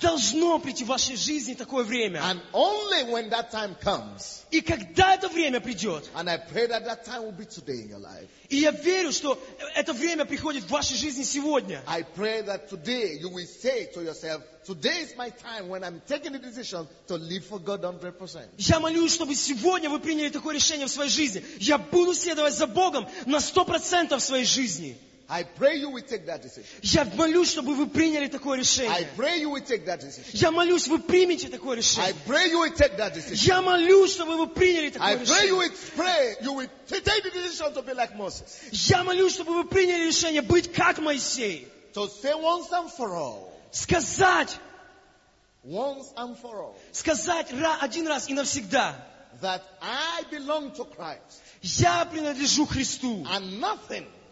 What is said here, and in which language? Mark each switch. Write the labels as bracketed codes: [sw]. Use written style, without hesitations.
[ru] Должно прийти в вашей жизни такое время. [en] And only when that time comes. [ru] И когда это время придет. [en] And I pray that that time will be today in your life. [ru] И я верю, что это время приходит в вашей жизни сегодня. [en] I pray that today you will say to yourself, today is my time when I'm taking the decision to live for God 100%. [ru] Я молюсь, чтобы сегодня вы приняли такое решение в своей жизни. Я буду следовать за Богом на 100% в своей жизни. [en] I pray you will take that decision. [ru] Я молюсь, чтобы вы приняли такое решение. [en] I pray you will take that decision. [ru] Я молюсь, вы примете такое решение. [en] I pray you will take that decision. [ru] Я молюсь, чтобы вы приняли такое решение. [en] I pray you will pray you will take the decision to be like Moses. [ru] Я молюсь, чтобы вы приняли решение быть как Моисей. [en] To say once and for all. [ru] Сказать. [en] Once and for all. [ru] Сказать один раз и навсегда. [en] That I belong to Christ. [ru] Я принадлежу Христу. [en] And nothing.